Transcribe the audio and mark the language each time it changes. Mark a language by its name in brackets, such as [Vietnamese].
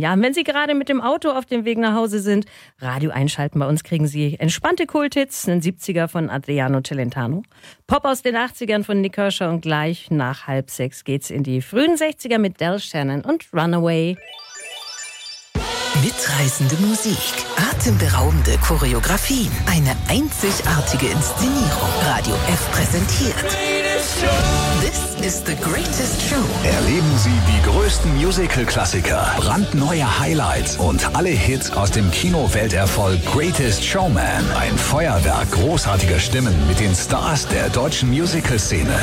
[German] Ja, wenn Sie gerade mit dem Auto auf dem Weg nach Hause sind, Radio einschalten, bei uns kriegen Sie entspannte Kulthits, einen 70er von Adriano Celentano, Pop aus den 80ern von Nick Kershaw und gleich nach 5:30 geht's in die frühen 60er mit Del Shannon und Runaway. Mitreißende Musik, atemberaubende Choreografien, eine einzigartige Inszenierung. Radio F präsentiert. [English] This is the greatest show. [German] Erleben Sie die größten Musical-Klassiker, brandneue Highlights und alle Hits aus dem Kino-Welterfolg Greatest Showman. Ein Feuerwerk großartiger Stimmen mit den Stars der deutschen Musical-Szene.